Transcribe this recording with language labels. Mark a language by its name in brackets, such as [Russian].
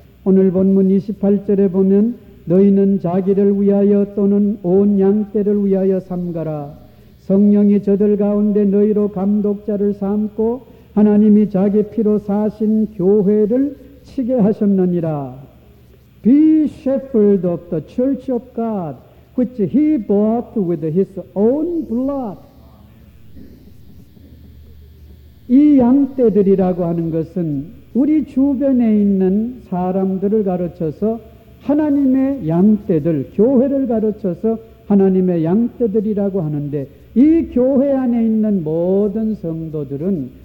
[Korean] 오늘 본문 28절에 보면 너희는 자기를 위하여 또는 온 양떼를 위하여 삼가라. 성령이 저들 가운데 너희로 감독자를 삼고 하나님이 자기 피로 사신 교회를 치게 하셨느니라. [English] Be shepherd of the church of God which he bought with his own blood. [Korean] 이 양떼들이라고 하는 것은 우리 주변에 있는 사람들을 가르쳐서 하나님의 양떼들, 교회를 가르쳐서 하나님의 양떼들이라고 하는데 이 교회 안에 있는 모든 성도들은